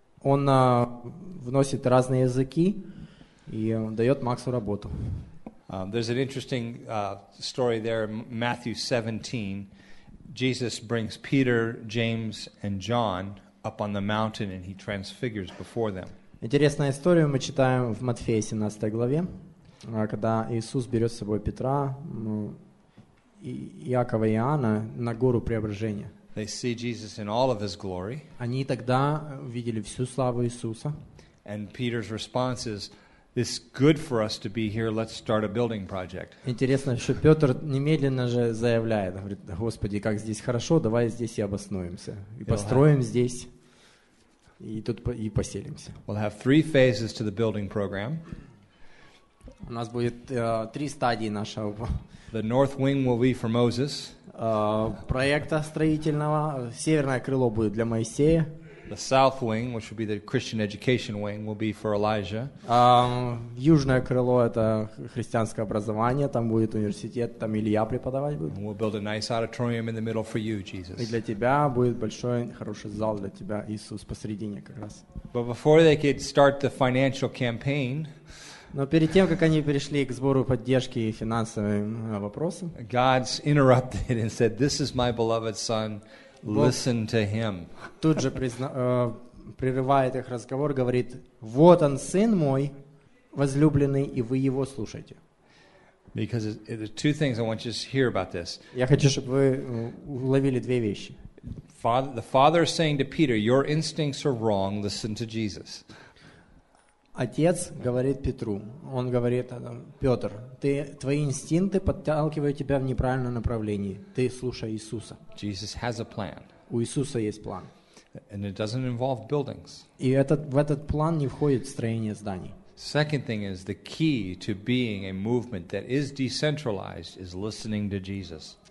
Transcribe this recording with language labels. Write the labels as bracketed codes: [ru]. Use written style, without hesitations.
[ru] Он вносит разные языки и дает Максу работу. [en] There's an interesting story there, Matthew 17. Jesus brings Peter, James, and John up on the mountain, and he transfigures before them. [ru] Интересная история мы читаем в Матфея 17 главе, когда Иисус берет с собой Петра, Иакова и Иоанна на гору Преображения. [en] They see Jesus in all of his glory. [ru] Они тогда видели всю славу Иисуса. [en] And Peter's response is, "This is good for us to be here. Let's start a building project." [ru] Интересно, что Петр немедленно же заявляет, говорит: "Господи, как здесь хорошо, давай здесь и обоснуемся, и построим здесь, и тут и поселимся." [en] We'll have three phases to the building program. [ru] У нас будет три стадии нашего. [en] The north wing will be for Moses. [ru] Проекта строительного. Северное крыло будет для Моисея. [en] The south wing, which will be the Christian education wing, will be for Elijah. [ru] Южное крыло — это христианское образование. Там будет университет, там Илья преподавать будет. [en] And we'll build a nice auditorium in the middle for you, Jesus. [ru] И для тебя будет большой, хороший зал для тебя, Иисус, посредине как раз. [en] But before they could start the financial campaign, [ru] но перед тем, как они перешли к сбору поддержки и финансовым вопросам, [en] God's interrupted and said, "This is my beloved son. Listen to him." [ru] Тут же прерывает их разговор, говорит: "Вот он, сын мой, возлюбленный, и вы его слушайте." [en] Because there's two things I want you to hear about this. [ru] Я хочу, чтобы вы уловили две вещи. [en] The father is saying to Peter, "Your instincts are wrong. Listen to Jesus." [ru] Отец говорит Петру, он говорит: "Петр, твои инстинкты подталкивают тебя в неправильном направлении. Ты слушай Иисуса." [en] Jesus has a plan. [ru] У Иисуса есть план. [en] And it doesn't involve buildings. [ru] И в этот план не входит строение зданий. [en] Second thing is the key to being a movement that is decentralized is listening to Jesus.